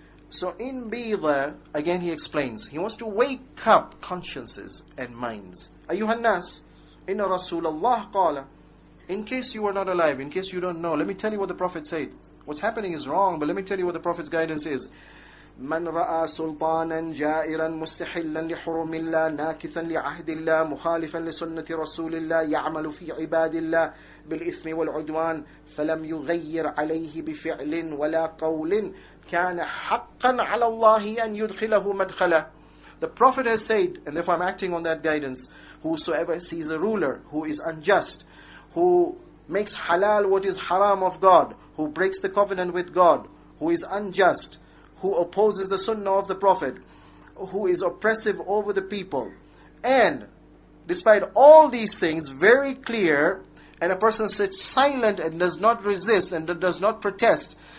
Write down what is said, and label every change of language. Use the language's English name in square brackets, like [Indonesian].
[English] So in Bidha, again he explains, he wants to wake up consciences and minds. [Arabic] Ayuhannas, inna Rasulallah qala. [English] In case you are not alive, in case you don't know, let me tell you what the Prophet said. What's happening is wrong, but let me tell you what the Prophet's guidance is. [Arabic] من رأى سلطانا جائرا مستحلا لحرم الله ناكثا لعهد الله مخالفا لسنة رسول الله يعمل في عباد الله بالإثم والعدوان فلم يغير عليه بفعل ولا قول كان حقا على الله أن يدخله مدخله. [English] The Prophet has said, and therefore I'm acting on that guidance, whosoever sees a ruler who is unjust, who makes halal what is haram of God, who breaks the covenant with God, who is unjust, who opposes the sunnah of the Prophet, who is oppressive over the people, and despite all these things, very clear, and a person sits silent and does not resist and does not protest,